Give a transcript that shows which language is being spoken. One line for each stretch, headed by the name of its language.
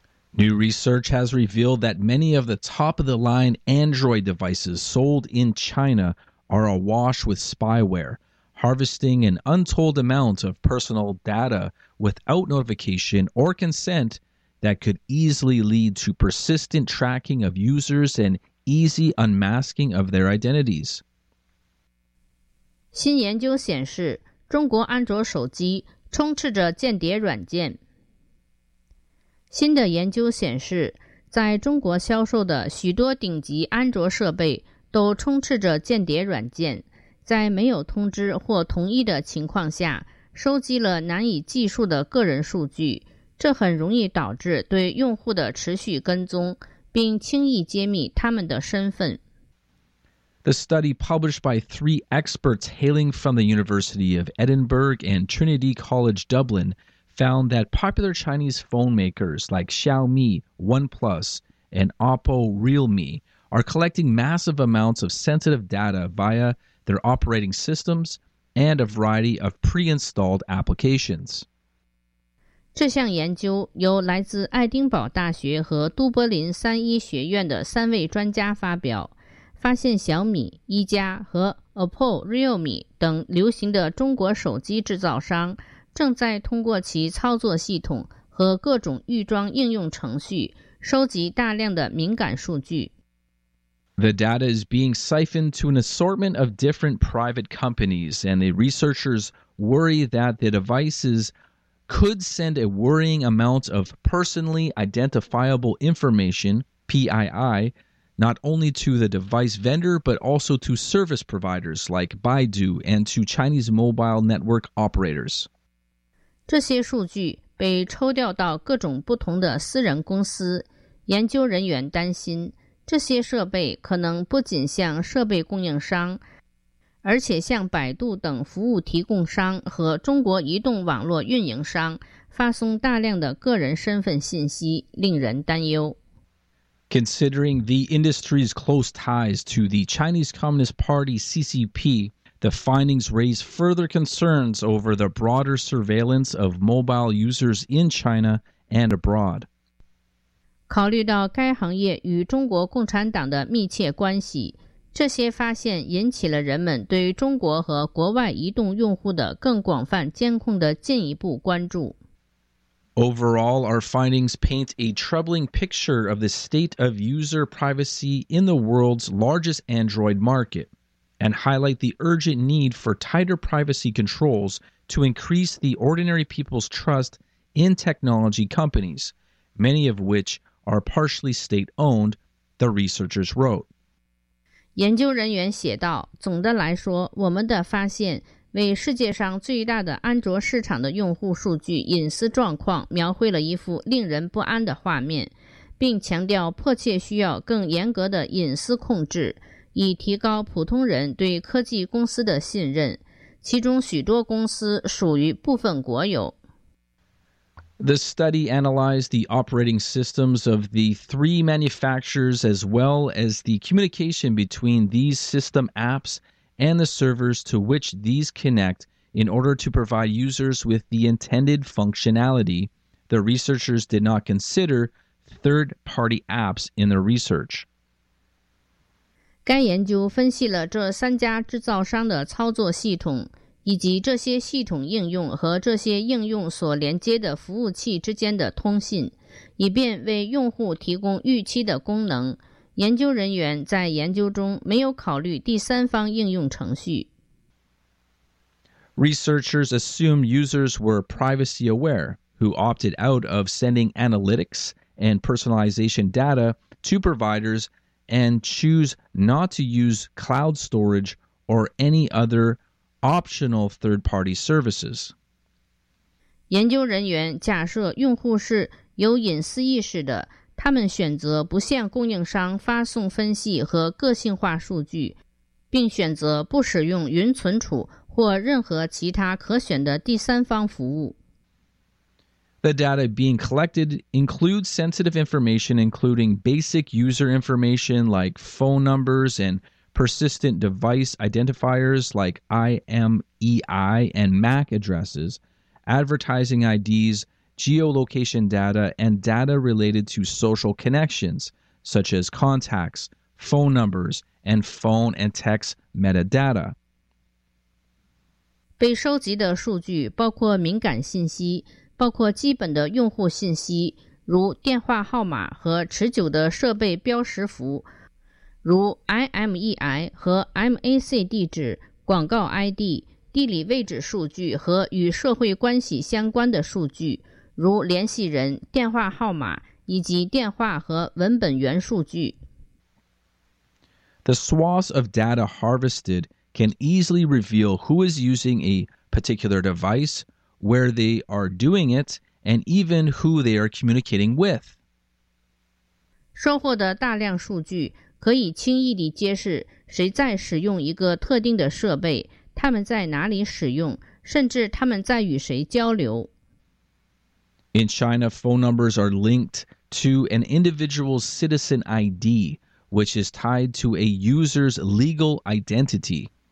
English: New research has revealed that many of the top-of-the-line Android devices sold in China are awash with spyware, harvesting an untold amount of personal data without notification or consent that could easily lead to persistent tracking of users and easy unmasking of their identities.
Chinese: 新研究显示，中国安卓手机充斥着间谍软件。新的研究显示，在中国销售的许多顶级安卓设备都充斥着间谍软件，在没有通知或同意的情况下，收集了难以计数的个人数据，这很容易导致对用户的持续跟踪，并轻易揭秘他们的身份。
English: The study published by three experts hailing from the University of Edinburgh and Trinity College Dublin,found that popular Chinese phone makers like Xiaomi, OnePlus, and Oppo Realme are collecting massive amounts of sensitive data via their operating systems and a variety of pre-installed applications.
Chinese: 这项研究由来自爱丁堡大学和都柏林三一学院的三位专家发表，发现小米、一加和 Oppo Realme 等流行的中国手机制造商正在通过其操作系统和各种预装应用程序收集大量的敏感数据。
English: The data is being siphoned to an assortment of different private companies, and the researchers worry that the devices could send a worrying amount of personally identifiable information, PII, not only to the device vendor, but also to service providers like Baidu and to Chinese mobile network operators.
Chinese: 这些数据被抽调到各种不同的私人公司，研究人员担心，这些设备可能不仅向设备供应商，而且向百度等服务提供商和中国移动网络运营商发送大量的个人身份信息，令人担忧。
English: Considering the industry's close ties to the Chinese Communist Party CCP,The findings raise further concerns over the broader surveillance of mobile users in China and abroad.
Chinese: 考虑到该行业与中国共产党的密切关系，这些发现引起了人们对中国和国外移动用户的更广泛监控的进一步关注。
English: Overall, our findings paint a troubling picture of the state of user privacy in the world's largest Android market. And highlight the urgent need for tighter privacy controls to increase the ordinary people's trust in technology companies, many of which are partially state-owned, the researchers wrote.
Chinese: 研究人员写道，总的来说，我们的发现为世界上最大的安卓市场的用户数据隐私状况描绘了一幅令人不安的画面，并强调迫切需要更严格的隐私控制。以提高普通人对科技公司的信任，其中许多公司属于部分国有。
English: The study analyzed the operating systems of the three manufacturers as well as the communication between these system apps and the servers to which these connect in order to provide users with the intended functionality. The researchers did not consider third-party apps in their research.
Chinese: 该研究分析了这三家制造商的操作系统，以及这些系统应用和这些应用所连接的服务器之间的通信，以便为用户提供预期的功能。研究人员在研究中没有考虑第三方应用程序。
English: Researchers assume users were privacy aware who opted out of sending analytics and personalization data to providers and choose not to use cloud storage or any other optional third-party services.
Chinese: 研究人员假设用户是有隐私意识的，他们选择不向供应商发送分析和个性化数据，并选择不使用云存储或任何其他可选的第三方服务。
English: The data being collected includes sensitive information, including basic user information like phone numbers and persistent device identifiers like IMEI and MAC addresses, advertising IDs, geolocation data, and data related to social connections, such as contacts, phone numbers, and phone and text metadata.
Chinese: 被收集的数据包括敏感信息，包括基本的用户信息，如电话号码和持久的设备标识符，如 IMEI 和 MAC 地址、广告 ID、地理位置数据和与社会关系相关的数据，如联系人、电话号码以及电话和文本源数据。
English: The swaths of data harvested can easily reveal who is using a particular device,where they are doing it, and even who they are communicating with.
Chinese: 收获的大量数据可以轻易地揭示谁在使用一个特定的设备，他们在哪里使用，甚至他们在与谁交流。
English: In China, phone numbers are linked to an individual's citizen ID, which is tied to a user's legal identity.